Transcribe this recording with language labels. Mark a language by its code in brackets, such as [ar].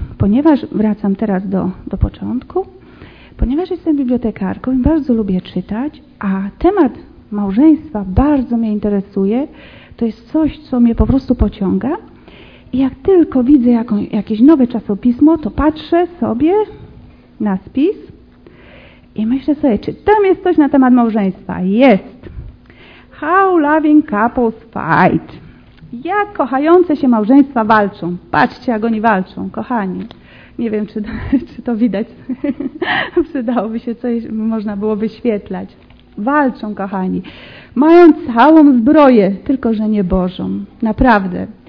[pl] ponieważ wracam teraz do początku, ponieważ jestem bibliotekarką i bardzo lubię czytać, a temat małżeństwa bardzo mnie interesuje, to jest coś, co mnie po prostu pociąga. I jak tylko widzę jakieś nowe czasopismo, to patrzę sobie na spis i myślę sobie, czy tam jest coś na temat małżeństwa. Jest. [en] How loving couples fight. [pl] Jak kochające się małżeństwa walczą. Patrzcie, jak oni walczą, kochani. Nie wiem, czy to widać. Przydałoby się coś, można było wyświetlać. Walczą, kochani. Mają całą zbroję, tylko że nie Bożą. Naprawdę.